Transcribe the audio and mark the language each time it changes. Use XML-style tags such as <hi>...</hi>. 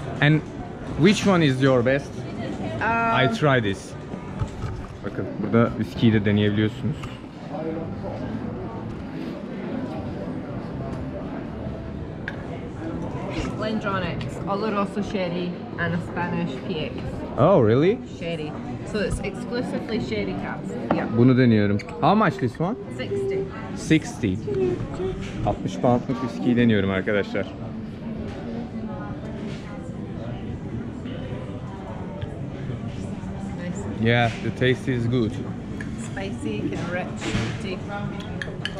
<en>And which one is your best? I try this.</en> <tr>Bakın burada viskiyi de deneyebiliyorsunuz.</tr> <en>Glendronic, Oloroso sherry and a Spanish PX. Oh really? Sherry. So it's exclusively sherry caps. Yeah.</en> <tr>Bunu deniyorum.</tr> <en>How much this one? 60.</en> <tr>60 pound'luk viskiyi deniyorum arkadaşlar.</tr> <en>Nice. Yeah, the taste is good. Spicy and rich.</en>